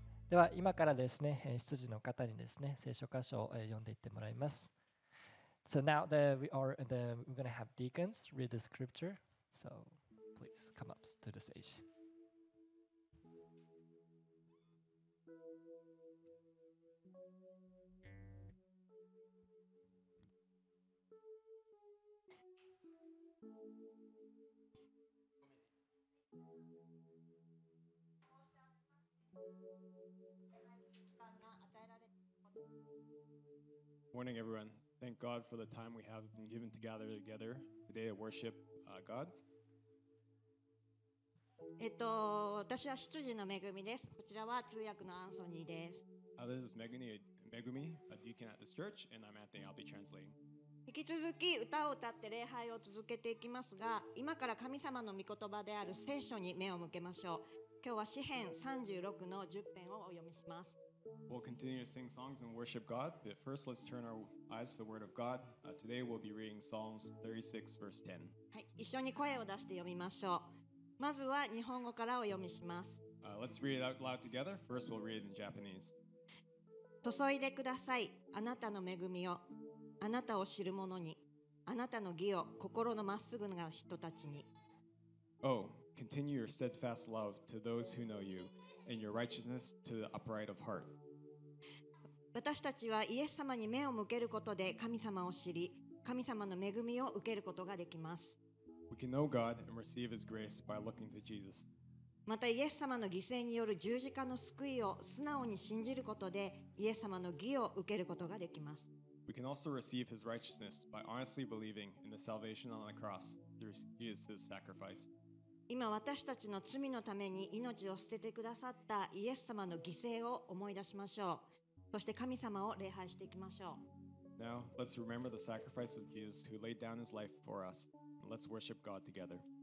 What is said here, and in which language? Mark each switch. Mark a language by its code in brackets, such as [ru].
[ja] では今からですね、羊の方にですね、聖書箇所を読んでいってもらいます。 [en] So now that we're going to have deacons read the scripture, so please come up to the stage. Good morning, everyone. Thank God for the time we have been given to gather together today to worship God. [ja] 私は羊の恵みです。こちらは通訳のアンソニーです。 [en] This is Megumi, a deacon at this church, and I'm Anthony. I'll be translating. [ja] 引き続き歌を歌って礼拝を続けていきますが、今から神様の御言葉である聖書に目を向けましょう。今日は詩編36の10編をお読みします。 [en] We'll continue to sing songs and worship God, but first let's turn our eyes to the Word of God. Today we'll be reading Psalms 36, verse 10. [ja] はい、一緒に声を出して読みましょう。まずは日本語からお読みします。 [en] Let's read it out loud together. First we'll read in Japanese. [ja] 注いでください、あなたの恵みを。あなたを知る者に。あなたの義を心のまっすぐな人たちに。 Oh. [en] Continue your steadfast love to those who know you, and your righteousness to the upright of heart. [ja] 私たちはイエス様に目を向けることで神様を知り、神様の恵みを受けることができます。 [en] We can know God and receive His grace by looking to Jesus. [ja] またイエス様の犠牲による十字架の救いを素直に信じることでイエス様の義を受けることができます。 [en] We can also receive His righteousness by honestly believing in the salvation on the cross through Jesus' sacrifice. [ja] 今私たちの罪のために命を捨ててくださったイエス様の犠牲を思い出しましょう。そして神様を礼拝していきましょう。 [en] Now, let's remember the sacrifice of Jesus who laid down his life for us. Let's worship God together.